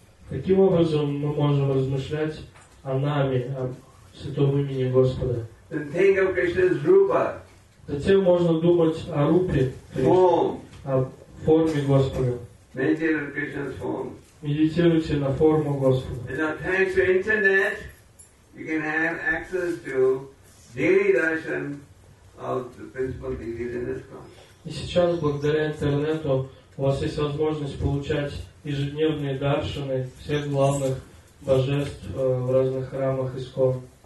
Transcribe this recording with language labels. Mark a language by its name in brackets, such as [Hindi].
[Russian] Таким образом мы можем размышлять о нами, о святом имени Господа. [English] Then think of Krishna's rupa. [Russian] Затем можно думать о рупе, о форме Господа. [English] Meditate on Krishna's form. [Russian] Медитируйте на форму Господа. [English] And now, thanks to internet, you can have access to daily darshan of the principal deities in this class. [Russian] И сейчас, благодаря интернету, у вас есть возможность получать ежедневные даршаны всех главных божеств в разных храмах и скор.